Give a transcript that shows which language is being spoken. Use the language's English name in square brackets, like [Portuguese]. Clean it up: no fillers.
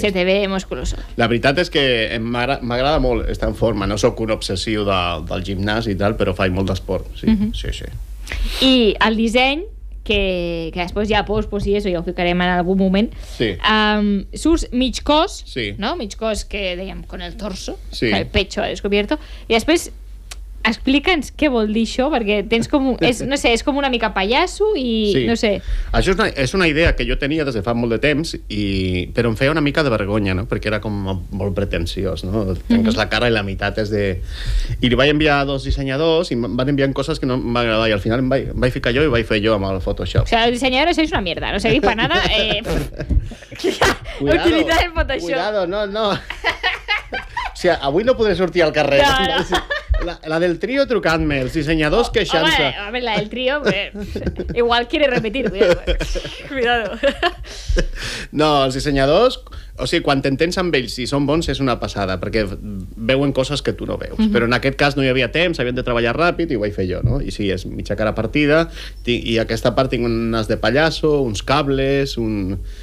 [Spanish] Se te ve musculoso. [Catalan] La veritat és que m'agrada molt estar en forma. No sóc un obsessiu del gimnàs i tal, però faig molt d'esport. Sí. Uh-huh. Sí, sí. I el disseny, que després ja pos, pues, sí, això ja ho ficarem en algun moment. Sí. Surs mig cos, sí. No? Mig cos que dèiem, [Spanish] con el torso, [Catalan] sí. [Spanish] El pecho descubierto. I després... [Catalan] Explica'ns què vol dir això, perquè tens com un, és, no sé, és com una mica pallasso i sí. No sé. Això és una idea que jo tenia des de fa molt de temps, i però em feia una mica de vergonya, no? Perquè era com molt pretensiós, no? Tenques la cara i la meitat és de... I li vaig enviar a dos dissenyadors i van enviant coses que no em va agradar, i al final em vaig ficar jo i vaig fer jo amb el Photoshop. O sigui, el dissenyador és una mierda, no servir per nada. [Spanish] Cuidado, [Catalan] utilitzar el Photoshop. Cuidado, no, no. O sigui, avui no podré sortir al carrer. No, no. La del trio trucant-me, els dissenyadors queixant-se. Home, la del trio, igual [Spanish] quiere repetir, [Catalan] cuidado. No, els dissenyadors, o sigui, quan t'entens amb ells, si són bons, és una passada, perquè veuen coses que tu no veus. Mm-hmm. Però en aquest cas no hi havia temps, havien de treballar ràpid i ho vaig fer jo, no? I sí, és mitja cara partida, i aquesta part tinc un nas de pallasso, uns cables, un...